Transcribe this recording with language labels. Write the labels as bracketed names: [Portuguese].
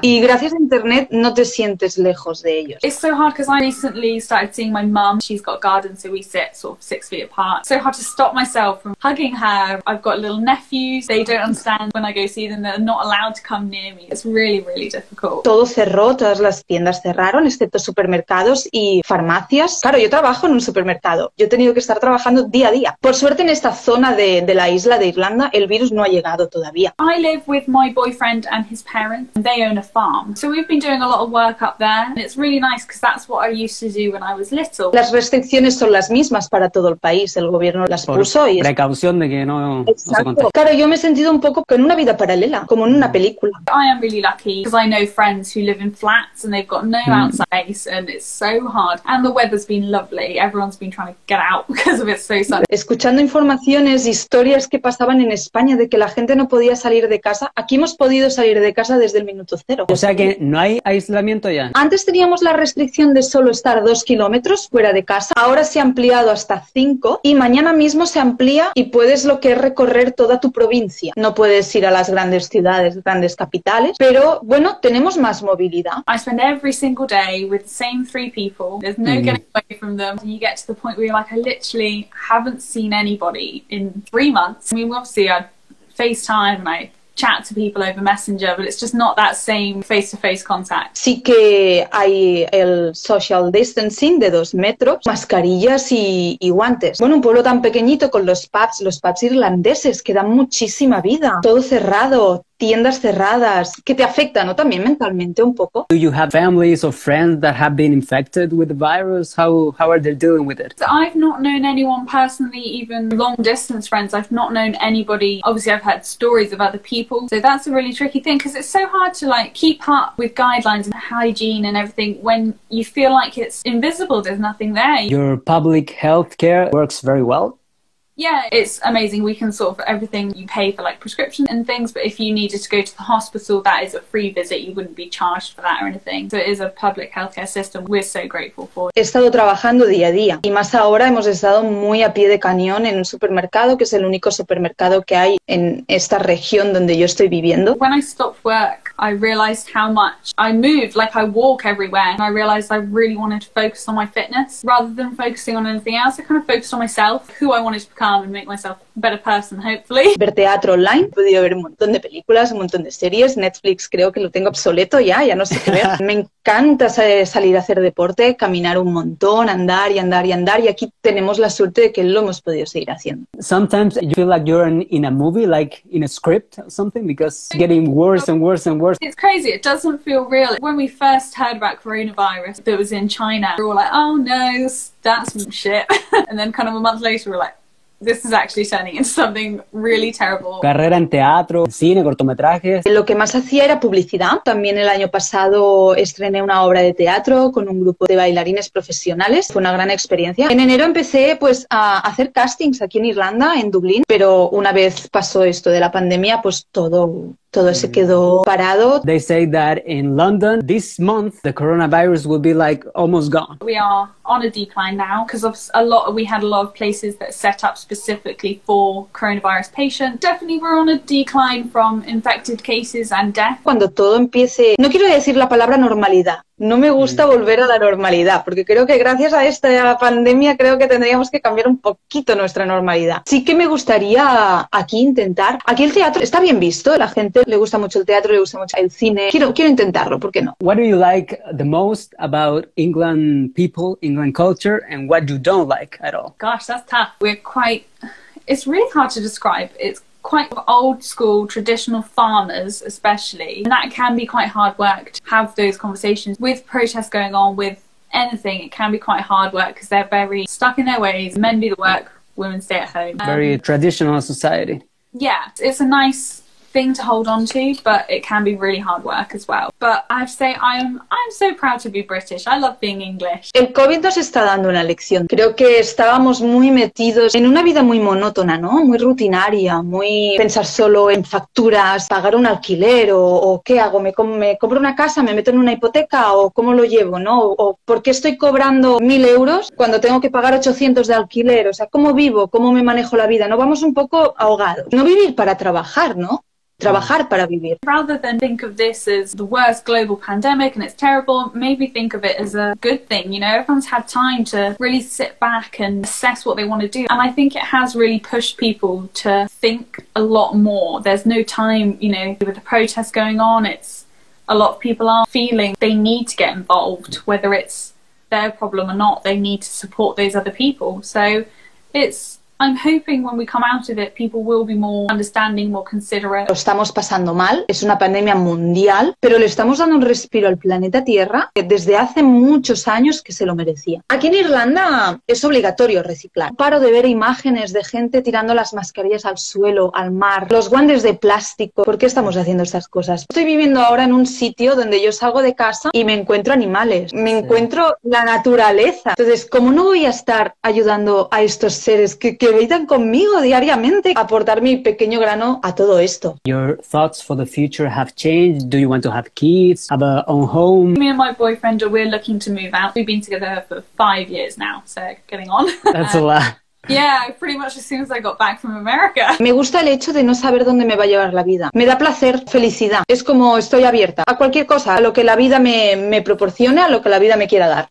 [Spanish] Y gracias a internet no te sientes lejos de ellos. [English] It's so hard because I recently started seeing my mum. She's got a garden, so we sit sort of 6 feet apart. So hard to stop myself from hugging her. I've got little nephews. They don't understand when I go see them. They're not allowed to come near me. It's really, really difficult. [Spanish] Todo cerró, todas las tiendas cerraron, excepto supermercados y farmacias. Claro, yo trabajo en un supermercado. Yo he tenido que estar trabajando día a día. Por suerte, en esta zona de la isla de Irlanda, el virus no ha llegado todavía. [English] I live with my boyfriend and his parents. They own a farm. So we've been doing a lot of work up there. And it's really nice because that's what I used to do when I was little. [Spanish] Las restricciones son las mismas para todo el país. El gobierno las puso. Por precaución de que no se contagie. Claro, yo me he sentido un poco en una vida paralela, como en una película. [English] I am really lucky because I know friends who live in flats and they've got no outside space and it's so hard. And the weather's been lovely. Everyone's been trying to get out because of it so sunny. [Spanish] Escuchando informaciones, historias que pasaban en España, de que la gente no podía salir de casa. Aquí hemos podido salir de casa desde el minuto cero. O sea que no hay aislamiento ya. Antes teníamos la restricción de solo estar 2 kilómetros fuera de casa. Ahora se ha ampliado hasta 5 y mañana mismo se amplía y puedes lo que es recorrer toda tu provincia. No puedes ir a las grandes ciudades, grandes capitales, pero bueno, tenemos más movilidad. [English] I spend every single day with the same 3 people. There's no getting away from them. And you get to the point where you're like, I literally haven't seen anybody in 3 months. I mean, obviously I FaceTime and I chat to people over Messenger, but it's just not that same face-to-face contact. [Spanish] Sí que hay el [English] social distancing [Spanish] de 2 metros, mascarillas y guantes. Bueno, un pueblo tan pequeñito con los pubs irlandeses que dan muchísima vida. Todo cerrado. Tiendas cerradas, que te afecta, ¿no? También mentalmente un poco. [English] Do you have families or friends that have been infected with the virus? How are they dealing with it? So I've not known anyone personally, even long distance friends. I've not known anybody. Obviously, I've heard stories of other people. So that's a really tricky thing because it's so hard to like keep up with guidelines and hygiene and everything when you feel like it's invisible. There's nothing there. Your public health care works very well. Yeah, it's amazing. We can sort for everything. You pay for like prescription and things, but if you needed to go to the hospital, that is a free visit. You wouldn't be charged for that or anything. So it is a public healthcare system. We're so grateful for it. [Spanish] He estado trabajando día a día y más ahora hemos estado muy a pie de cañón en un supermercado que es el único supermercado que hay en esta región donde yo estoy viviendo. [English] When I stopped work, I realized how much I move, like I walk everywhere. And I realized I really wanted to focus on my fitness rather than focusing on anything else. I kind of focused on myself, who I wanted to calm and make myself better person, hopefully. [Spanish] Ver teatro online. He podido ver un montón de películas, un montón de series. Netflix creo que lo tengo obsoleto ya, ya no sé qué ver. Me encanta salir a hacer deporte, caminar un montón, andar y andar y andar. Y aquí tenemos la suerte de que lo hemos podido seguir haciendo. [English] Sometimes you feel like you're in a movie, like in a script or something, because it's getting worse and worse and worse. It's crazy. It doesn't feel real. When we first heard about coronavirus that was in China, we were like, oh no, that's some shit. And then kind of a month later, we're like, this is actually turning into something really terrible. [Spanish] Carrera en teatro, cine, cortometrajes. Lo que más hacía era publicidad. También el año pasado estrené una obra de teatro con un grupo de bailarines profesionales. Fue una gran experiencia. En enero empecé pues a hacer castings aquí en Irlanda, en Dublín. Pero una vez pasó esto de la pandemia, pues todo se quedó parado. [English] They say that in London, this month, the coronavirus will be like almost gone. We are on a decline now because we had a lot of places that set up specifically for coronavirus patients. Definitely we're on a decline from infected cases and death. [Spanish] Cuando todo empiece, no quiero decir la palabra normalidad. No me gusta volver a la normalidad, porque creo que gracias a esta pandemia creo que tendríamos que cambiar un poquito nuestra normalidad. Sí que me gustaría aquí intentar. Aquí el teatro está bien visto, la gente le gusta mucho el teatro, le gusta mucho el cine. Quiero intentarlo, ¿por qué no? [English] What do you like the most about England people, England culture, and what you don't like at all? Gosh, that's tough. It's really hard to describe. It's quite old school, traditional farmers especially, and that can be quite hard work to have those conversations with protests going on, with anything. It can be quite hard work because they're very stuck in their ways. Men do the work, women stay at home. Very traditional society. Yeah, it's a nice thing to hold on to, but it can be really hard work as well. But I have to say, I'm so proud to be British. I love being English. [Spanish] El COVID nos está dando una lección. Creo que estábamos muy metidos en una vida muy monótona, ¿no? Muy rutinaria, muy pensar solo en facturas, pagar un alquiler o ¿qué hago? ¿Me compro una casa? ¿Me meto en una hipoteca? ¿O cómo lo llevo? ¿No? ¿O por qué estoy cobrando 1000 euros cuando tengo que pagar 800 de alquiler? O sea, ¿cómo vivo? ¿Cómo me manejo la vida? ¿No? Vamos un poco ahogados. No vivir para trabajar, ¿no? Trabajar para vivir. [English] Rather than think of this as the worst global pandemic and it's terrible, maybe think of it as a good thing. You know, everyone's had time to really sit back and assess what they want to do. And I think it has really pushed people to think a lot more. There's no time, you know, with the protests going on, it's a lot of people are feeling they need to get involved, whether it's their problem or not, they need to support those other people. So it's... I'm hoping when we come out of it, people will be more understanding, more considerate. [Spanish] Lo estamos pasando mal, es una pandemia mundial, pero le estamos dando un respiro al planeta Tierra que desde hace muchos años que se lo merecía. Aquí en Irlanda es obligatorio reciclar. Paro de ver imágenes de gente tirando las mascarillas al suelo, al mar, los guantes de plástico. ¿Por qué estamos haciendo estas cosas? Estoy viviendo ahora en un sitio donde yo salgo de casa y me encuentro animales, me encuentro la naturaleza. Entonces, ¿cómo no voy a estar ayudando a estos seres que que vengan conmigo diariamente a aportar mi pequeño grano a todo esto. [English] Your thoughts for the future have changed. Do you want to have kids? Have a own home? Me and my boyfriend, we're looking to move out. We've been together for 5 years now, so getting on. That's a lot. Yeah, pretty much as soon as I got back from America. [Spanish] Me gusta el hecho de no saber dónde me va a llevar la vida. Me da placer, felicidad. Es como estoy abierta a cualquier cosa, a lo que la vida me proporcione, a lo que la vida me quiera dar.